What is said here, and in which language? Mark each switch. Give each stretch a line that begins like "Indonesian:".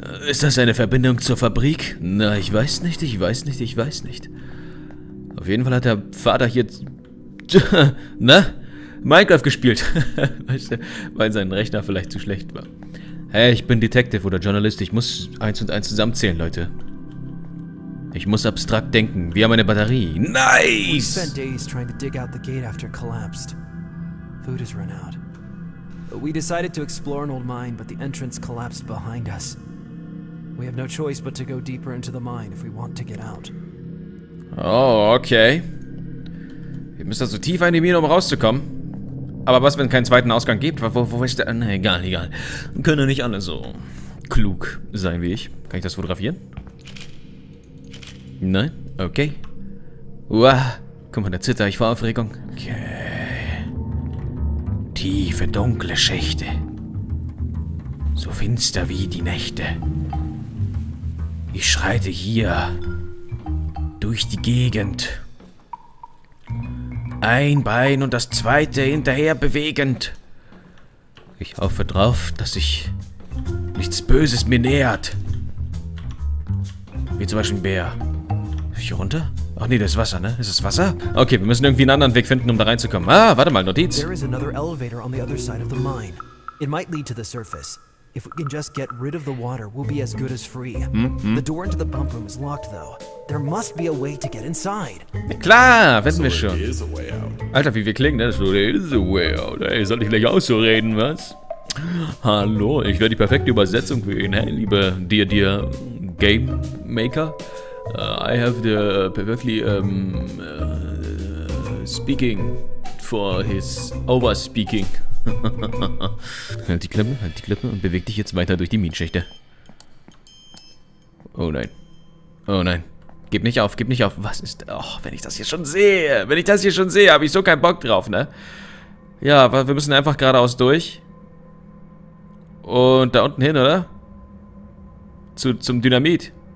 German: Ist das eine Verbindung zur Fabrik? Na, ich weiß nicht. Auf jeden Fall hat der Vater hier... Na? Minecraft gespielt. Weißt du, weil sein Rechner vielleicht zu schlecht war. Hey, ich bin Detective oder Journalist. Ich muss eins und eins zusammenzählen, Leute. Ich muss abstrakt denken. Wir haben eine Batterie.
English: Nice! We spent days trying to dig out the gate after it collapsed. Food has run out. We decided to explore an old mine, but the entrance collapsed behind us. We have no choice but to go deeper into the mine if we want to get out. Oh, okay.
German: Wir müssen also tief in die Mine, um rauszukommen. Aber was, wenn es keinen zweiten Ausgang gibt? Wo ist der? Nee, egal. Können nicht alle so klug sein wie ich. Kann ich das fotografieren? Nein? Okay. Uah. Guck mal, da zitter ich vor Aufregung. Okay. Tiefe, dunkle Schächte. So finster wie die Nächte. Ich schreite hier durch die Gegend. Ein Bein und das zweite hinterher bewegend. Ich hoffe drauf, dass sich nichts Böses mir nähert. Wie zum Beispiel ein Bär. Hier runter? Ach nee, das ist Wasser, ne? Ist es Wasser? Okay, wir müssen irgendwie einen anderen Weg finden, um da reinzukommen. Ah, warte mal, Notiz.
English: There is another elevator on the other side of the mine. It might lead to the surface. If we can just get rid of the water, we'll be as good as free. The door into the pump room is locked, though. There must be a way to get inside.
German: Na klar, wissen wir schon. Alter, wie wir klingen, ne?
English: So, there is a way out.
German: Ey, soll ich gleich auch so reden, was? Hallo, ich wäre die perfekte Übersetzung für ihn. Hey, liebe dir Game Maker.
English: I have the perfectly speaking for his overspeaking.
German: halt die Klippe und beweg dich jetzt weiter durch die Minenschächte. Oh nein. Gib nicht auf. Was ist. Oh, wenn ich das hier schon sehe, habe ich so keinen Bock drauf, ne? Ja, wir müssen einfach geradeaus durch. Und da unten hin, oder? Zum Dynamit.